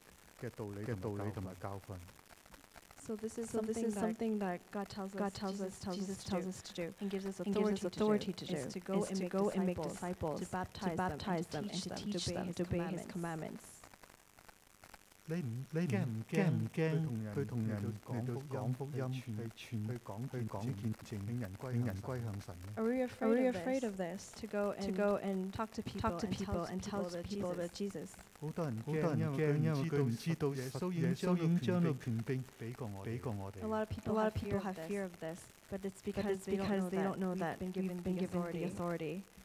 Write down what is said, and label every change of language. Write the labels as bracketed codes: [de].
[en] I think some of us are afraid because we don't know that we have this power. So this is something that God tells us to do and gives us authority to do, and to go and make disciples, to baptize them, and to teach them, to obey his commandments. Are we afraid of this, to go and talk to people and tell the people about Jesus? [zh] 很多人怕，因为他们知道耶稣已经将权柄给过我们。 [en] A lot of people have fear of this, but it's because they don't know that we've been given the authority.